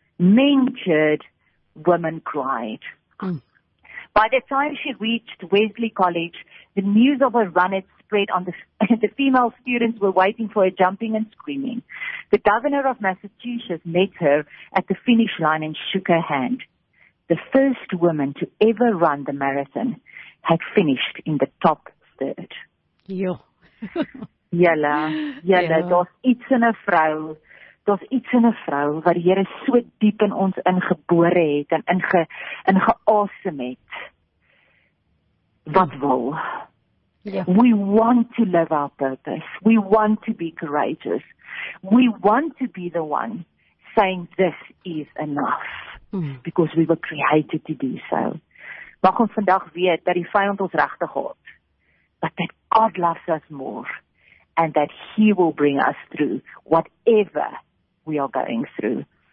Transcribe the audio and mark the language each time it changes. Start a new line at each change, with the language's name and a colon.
English: Men cheered. Women cried. By the time she reached Wesley College, the news of her run had spread on the female students were waiting for her jumping and screaming. The governor of Massachusetts met her at the finish line and shook her hand. The first woman to ever run the marathon had finished in the top third. Jo.
Afrikaans: Jalla, jalla, daar's iets in 'n vrou. Daar's iets in 'n vrou wat die Here so diep in ons ingebore het en ingeasem het. Wat wil? Yeah.
English: We want to live our purpose. We want to be courageous. We want to be the one saying this is enough. because we were created to do so.
Afrikaans: Mag ons vandag weet dat die vyand ons regtig haat,
English: but that God loves us more and that he will bring us through whatever we are going through.